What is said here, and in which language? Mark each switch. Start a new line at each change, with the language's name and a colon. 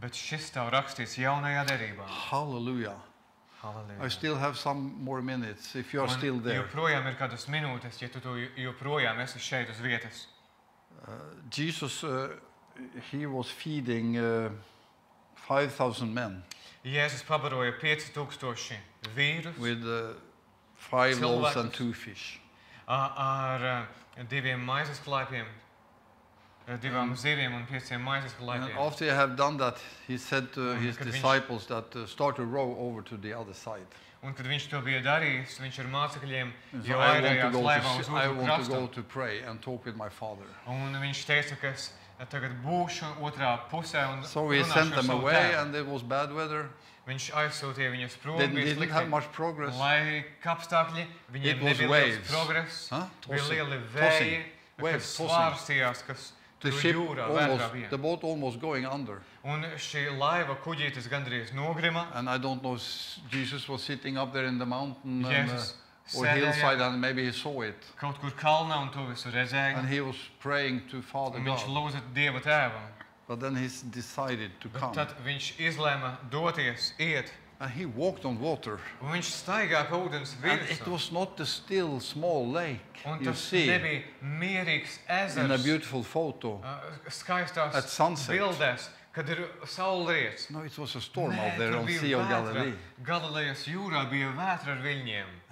Latvian: Bet šis tev rakstīts jaunajā derībā. Hallelujah. Hallelujah.
English: I still have some more minutes if you're still there.
Latvian: Joprojām ir kādas minūtes, ja tu joprojām esi šeit uz vietas.
English: Jesus, he was feeding 5,000 men.
Latvian: Jēzus pabaroja 5,000 vīrus.
English: With five loaves and two fish.
Latvian: Ar diviem maizes klaipiem. Divām zīviem un pieciem maizes klaipiem.
English: After he had done that, he said to his disciples that start to row over to the other side.
Latvian: Un kad viņš to bija darījis, viņš ar mācekļiem jau airējās laivā uz otru krastu.
English: I want to go to pray and talk with my father.
Latvian: Un viņš teica, ka tagad būšu otrā pusē un
English: so he sent them away and it was bad weather.
Latvian: Viņš aizsūtīja viņus prom, bija slikti.
English: Didn't have much progress.
Latvian: Laika apstākļi, viņiem nebija daudz progresa. Bija lieli vēji, kas svārstījās, kas tur jūrā vērā bija.
English: The boat almost going under.
Latvian: Un šī laiva kuģītis gandrīz nogrima.
English: And I don't know, Jesus was sitting up there in the mountain. Or hillside and maybe he saw it.
Latvian: Kaut kur kalnā un to visu redzēja.
English: And he was praying to Father God.
Latvian: Viņš lūdza Dieva Tēvu.
English: But then he decided to come.
Latvian: Tad viņš izlēma doties, iet.
English: And he walked on water.
Latvian: Un viņš staigā pa ūdens virsu.
English: And it was not the still small lake,
Latvian: un
English: you see.
Latvian: Un tas nebija mierīgs ezers.
English: In a beautiful photo.
Latvian: Skaistās bildēs. Kad ir saulriets.
English: No, it was a storm out there on Sea of Galilee.
Latvian: Galilejas jūrā bija vētra ar viļņiem.